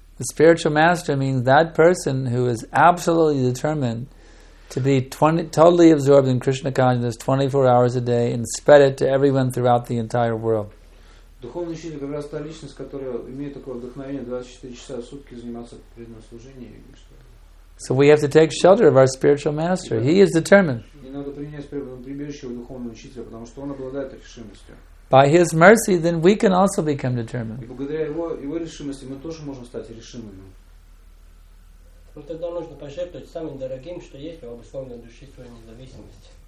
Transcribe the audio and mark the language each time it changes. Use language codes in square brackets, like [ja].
[en] The spiritual master means that person who is absolutely determined to be totally absorbed in Krishna consciousness 24 hours a day and spread it to everyone throughout the entire world. [ru] Духовный учитель как раз та личность, которая имеет такое вдохновение 24 часа в сутки заниматься преднослужением. [en] So we have to take shelter of our spiritual master. He is determined. [ru] И надо принять прибежище у духовного учителя, потому что он обладает решимостью. [en] By his mercy, then we can also become determined. [ru] И благодаря его решимости мы тоже можем стать решимыми. Вот тогда нужно пожертвовать самым дорогим, что есть, в обусловленной души своей независимости.